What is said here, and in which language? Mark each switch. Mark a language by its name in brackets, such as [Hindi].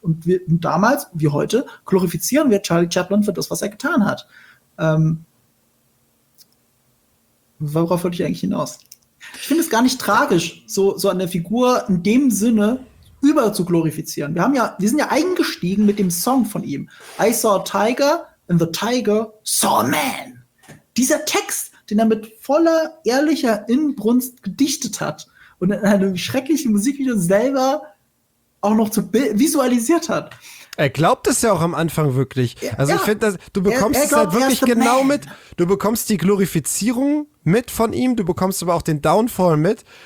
[German] Und wir und damals, wie heute, glorifizieren wir Charlie Chaplin für das, was er getan hat. Worauf wollte ich eigentlich hinaus? Ich finde es gar nicht tragisch, so an der Figur in dem Sinne über zu glorifizieren. Wir sind ja eingestiegen mit dem Song von ihm. [English] I saw a tiger and the tiger saw a man. [German] Dieser Text, den er mit voller ehrlicher Inbrunst gedichtet hat und in einem schrecklichen Musikvideo selber auch noch zu visualisiert hat. Er glaubt es ja auch am Anfang wirklich. Also ja, ich finde, du bekommst es halt wirklich genau mit. Du bekommst die Glorifizierung mit von ihm, du bekommst aber auch den Downfall mit.